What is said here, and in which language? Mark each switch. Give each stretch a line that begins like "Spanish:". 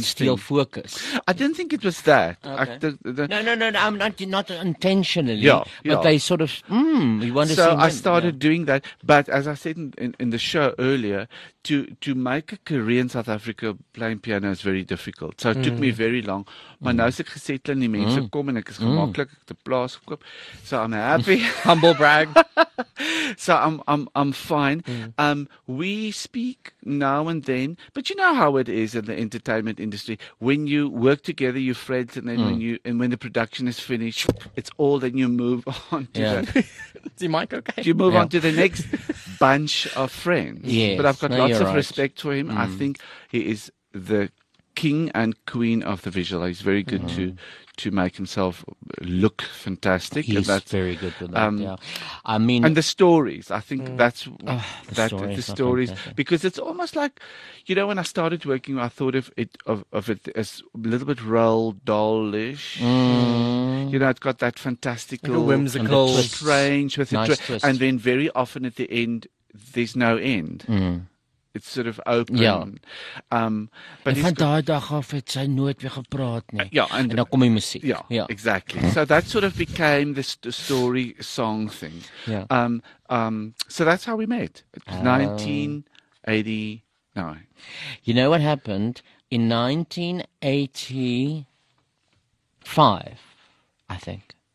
English: thing. Still focus. I didn't think it was that. Okay. No. I'm not intentionally. Yeah, but yeah. They sort of, you want to so see So I started doing that. But as I said in the show earlier, to make a career in South Africa playing piano is very difficult. So it took me very long.
Afrikaans: Maar nou is ek gesettel en die mense kom en ek is gemaklik, ek het 'n plaas gekoop.
English: So I'm happy. Humble brag. So I'm fine. Mm. We speak now and then, but you know how it is in the entertainment industry. When you work together, you're friends, and then when the production is finished, it's all, then you move on to the mic okay? You move on to the next bunch of friends. Yes. But I've got respect for him. Mm. I think he is the king and queen of the visual. He's very good to make himself look fantastic. He's that's, very good with that, I mean... And the stories. I think that's... The stories. Because it's almost like... You know, when I started working, I thought of it as a little bit Roald Dahl-ish. Mm. You know, it's got that fantastical... Like whimsical. And strange. With nice twist. And then very often at the end, there's no end. Mm. It's sort of open. Yeah. But
Afrikaans: van daai dag af het sy nooit weer gepraat nie. En dan kom die musiek.
English: Yeah. Exactly. So that sort of became this story song thing. Yeah. So that's how we met. It's 1989. You know what happened in 1985, I think.